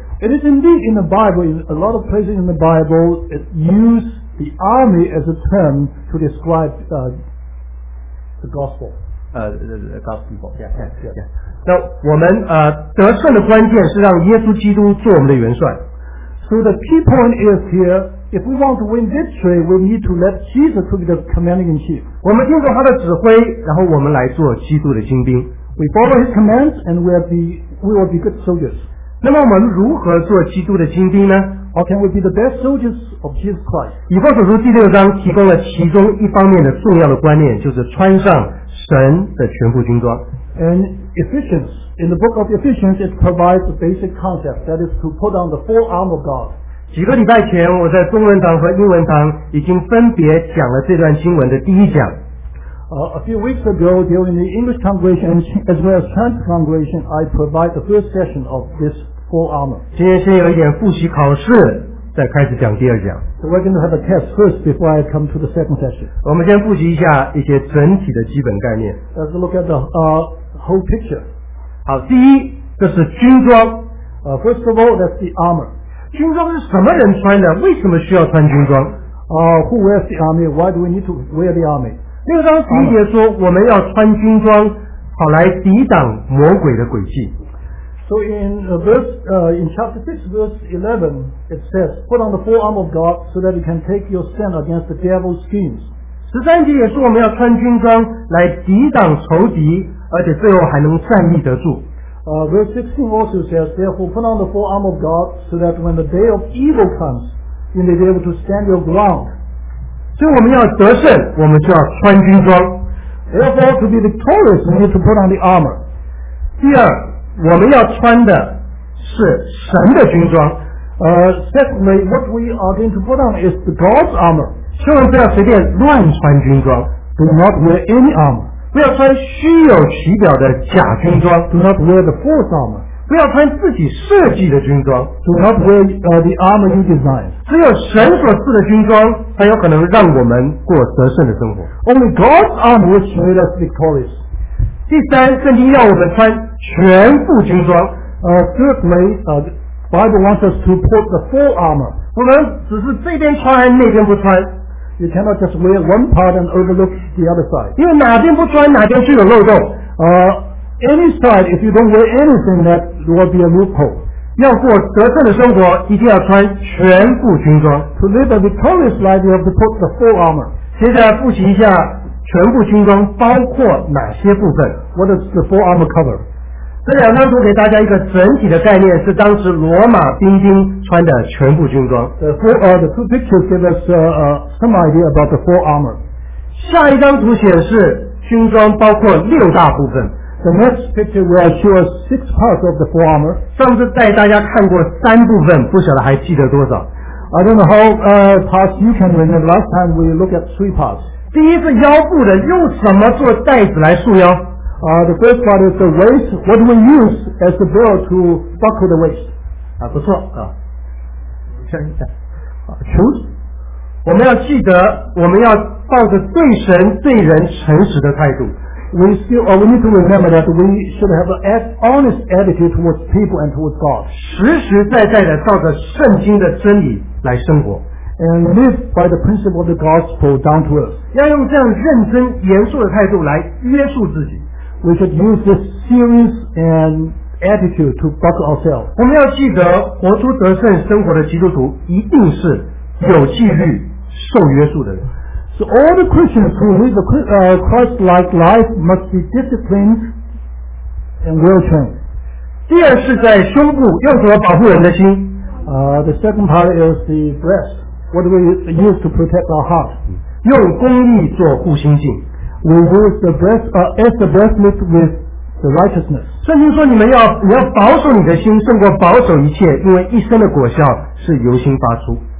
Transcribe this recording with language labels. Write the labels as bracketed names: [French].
[English] It is indeed in the Bible, in a lot of places in the Bible, it uses the army as a term to describe. The gospel, the gospel, yeah. [Chinese] 那我们得胜的关键是让耶稣基督做我们的元帅。 [English] So the key point is here, if we want to win victory, we need to let Jesus to be the commanding in chief. [Chinese] 我们听从他的指挥，然后我们来做基督的精兵。 [English] We follow his commands and we will be good soldiers. [Chinese] 那么我们如何做基督的精兵呢？ [English] How can we be the best soldiers of Jesus Christ? [Chinese] 以弗所书第六章提供了其中一方面的重要的观念，就是穿上神的全副军装。 [English] And Ephesians, in the book of Ephesians, it provides a basic concept that is to put on the full armor of God. [Chinese] 几个礼拜前，我在中文堂和英文堂已经分别讲了这段经文的第一讲。 [English] A few weeks ago, during the English congregation as well as Chinese congregation, I provide the first session of this. [Chinese] 今天先有一点复习考试，再开始讲第二讲。 [English] So we're going to have a test first before I come to the second session. [Chinese] 我们先复习一下一些整体的基本概念。 [English] Let's look at the whole picture. [Chinese] 好，第一，这是军装。 [English] First of all, that's the armor. [Chinese] 军装是什么人穿的？为什么需要穿军装？ [English] Who wears the army? Why do we need to wear the army? [Chinese] 六章第一节说，我们要穿军装，好来抵挡魔鬼的诡计。 [English] So in chapter 6 verse 11 it says put on the full armor of God so that you can take your stand against the devil's schemes. [Chinese] 十三节也是我们要穿军装来抵挡仇敌，而且最后还能站立得住。 [English] Verse 16 also says therefore put on the full armor of God so that when the day of evil comes you may be able to stand your ground. [Chinese] 所以我们要得胜，我们就要穿军装。 [English] Therefore to be victorious we need to put on the armor. [Chinese] 第二，我们要穿的是神的军装。 [English] Secondly, what we are going to put on is the God's armor. [Chinese] 千万不要随便乱穿军装。 [English] Do not wear any armor. [Chinese] 不要穿虚有其表的假军装。 [English] Do not wear the false armor. [Chinese] 不要穿自己设计的军装。 [English] Do not wear the armor you designed. [Chinese] 只有神所赐的军装才有可能让我们过得胜的生活。 [English] Only God's armor which made us victorious. [Chinese] 第三，圣经要我们穿全副军装。 [English] Thirdly, Bible wants us to put the full armor. [Chinese] 我们只是这边穿那边不穿。 [English] You cannot just wear one part and overlook the other side. [Chinese] 因为哪边不穿，哪边就有漏洞。 [English] Any side, if you don't wear anything, that will be a loophole. [Chinese] 要过得胜的生活，一定要穿全副军装。 [English] To live a victorious life, you have to put the full armor. [Chinese] 接下来复习一下。全部军装包括哪些部分？ [English] What does the full armor cover? [Chinese] 这两张图给大家一个整体的概念，是当时罗马兵丁穿的全部军装。 [English] The two pictures give us some idea about the full armor. [Chinese] 下一张图显示军装包括六大部分。 [English] The next picture will show us six parts of the full armor. [Chinese] 上次带大家看过三部分，不晓得还记得多少。 [English] I don't know how parts you can remember. Last time we looked at three parts. [Chinese] 第一是腰部的，用什么做带子来束腰？ [English] The first part is the waist. What do we use as the belt to buckle the waist? [Chinese] 不错啊。 [English] truth. [Chinese] 我们要记得，我们要抱着对神对人诚实的态度。 [English] We need to remember that we should have an honest attitude towards people and towards God. [Chinese] 实实在在的照着圣经的真理来生活。 [English] And live by the principle of the gospel down to earth. [Chinese] 要用这样认真严肃的态度来约束自己。 [English] We should use this serious and attitude to buckle ourselves. [Chinese] 我们要记得，活出得胜生活的基督徒一定是有纪律、受约束的人。 [English] So all the Christians who live a Christ-like life must be disciplined and well-trained. [Chinese] 第二是在胸部，用什么保护人的心？ [English] The second part is the breast. What do we use to protect our heart? [Chinese] 用公义做护心镜。 [English] We use the breast as the breastplate with the righteousness. [Chinese] 圣经说你要保守你的心，胜过保守一切，因为一生的果效是由心发出。